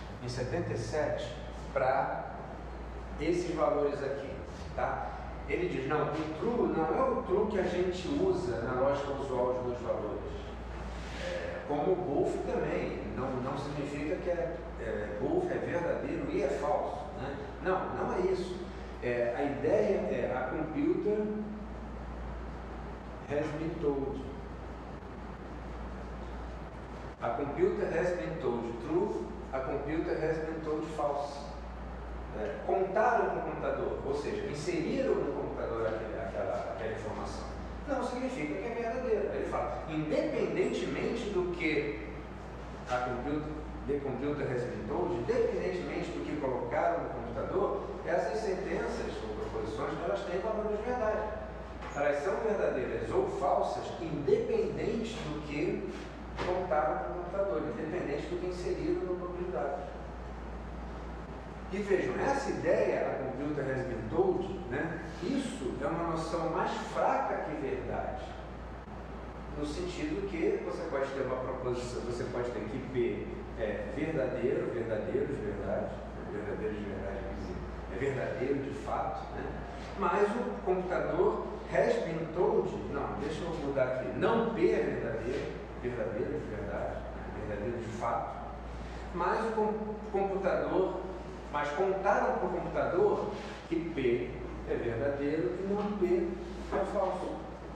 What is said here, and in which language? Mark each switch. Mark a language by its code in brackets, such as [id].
[pt] Em 77, para esses valores aqui, tá? Ele diz: não, o true não é o true que a gente usa na lógica usual dos valores. Como o both também, não significa que both é verdadeiro e é falso, né? Não é isso. A ideia é [en] a computer has been told. A computer has been told true, a computer has been told false. [pt] Contaram com o computador, ou seja, inseriram no computador aquela informação. Não significa que é verdadeiro. Ele fala, independentemente do que [en] a computer, the computer has been told, [pt] independentemente do que colocaram no computador, essas sentenças ou proposições, elas têm valor de verdade. Elas são verdadeiras ou falsas, independente do que contaram no computador, independente do que inseriram no próprio dado. E vejam, essa ideia, [en] a computer has been told, [pt] né? Isso é uma noção mais fraca que verdade, no sentido que você pode ter uma proposição, você pode ter que P é verdadeiro, verdadeiro de verdade, verdadeiro de verdade, quer dizer, é verdadeiro de fato, né? Mas o computador [en] has been told, [pt] não, deixa eu mudar aqui, não P é verdadeiro, verdadeiro de verdade, verdadeiro de fato, mas o computador, mas contaram para o computador que P é verdadeiro e não P é falso.